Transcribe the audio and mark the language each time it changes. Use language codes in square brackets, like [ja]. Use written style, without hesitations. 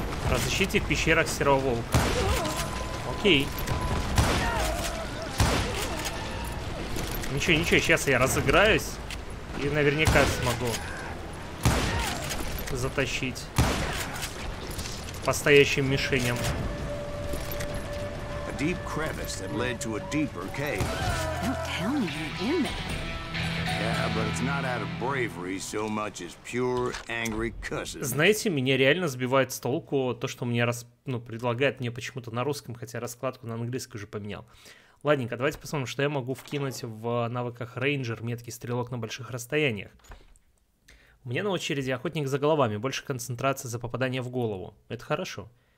[ru] Разыщите в пещерах Серого Волка. Окей. Ничего, ничего, сейчас я разыграюсь. И наверняка смогу затащить по стоящим мишеням. [en] Deep crevice that led to a deeper cave. Don't tell me you're in there. Yeah, but it's not out of bravery so much as pure angry cussing. [ru] Знаете, меня реально сбивает с толку то, что мне предлагает мне почему-то на русском, хотя раскладку на английский уже поменял. Ладненько, давайте посмотрим, что я могу вкинуть в навыках рейнджер, меткий стрелок на больших расстояниях. У меня на очереди охотник за головами, больше концентрация за попадание в голову. Это хорошо.